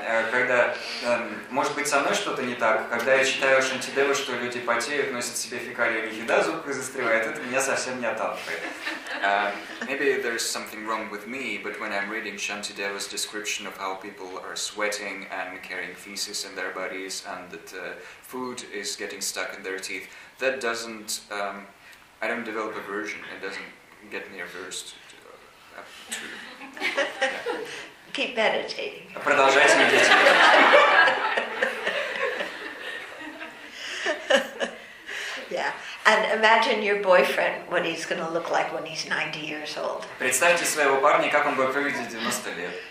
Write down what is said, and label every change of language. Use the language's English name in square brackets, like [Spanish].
[Russian] Когда, может быть, со мной что-то не так, когда я читаю Шантидеву, что люди потеют, носят себе фекалии, у них еда зубка застревает, это меня совсем не отталкивает. [English] Maybe there is something wrong with me, but when I'm reading Shantideva's description of how people are sweating and carrying feces in their bodies and that food is getting stuck in their teeth, that doesn't, I don't develop aversion, it doesn't get me averse to Keep meditating. [Russian] Продолжайте медитировать. [English] Yeah. And imagine your boyfriend what he's going to look like when he's 90 years old. [Russian] Представьте своего парня, как он будет выглядеть в 90 лет.